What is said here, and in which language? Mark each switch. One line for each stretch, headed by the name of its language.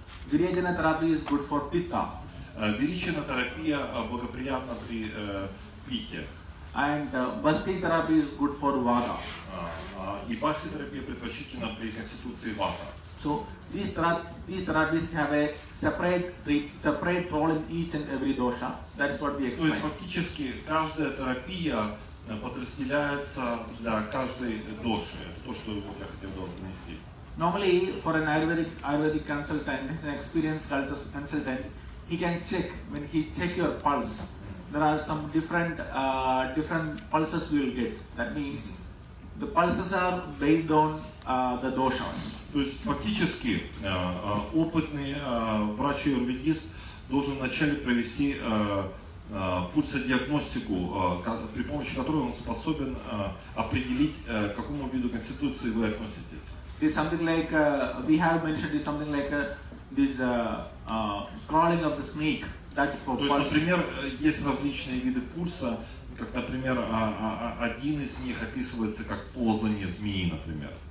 English: Virechana therapy is good for pitta.
Russian: Virechana терапия благоприятна при питте.
English: And Basti therapy is good for Vata.
Russian: И Basti терапия предпочтительна при конституции Vata.
English: So these therapies have a separate role in each and every dosha. That is what we explain.
Russian: То есть фактически каждая терапия подразделяется для каждой доши. Это то, что я хотел донести.
English: Normally for an Ayurvedic consultant, an experienced consultant, he can check when he check your pulse. There are some different pulses we will get. That means the pulses are based on the doshas.
Russian: То есть фактически опытный врач аюрведист должен вначале провести пульсодиагностику, при помощи которой он способен определить, к какому виду конституции вы относитесь.
English: It's something like we have mentioned is something like this crawling of the snake.
Russian: То есть, например, есть различные виды пульса, как, например, один из них описывается как ползание змеи, например.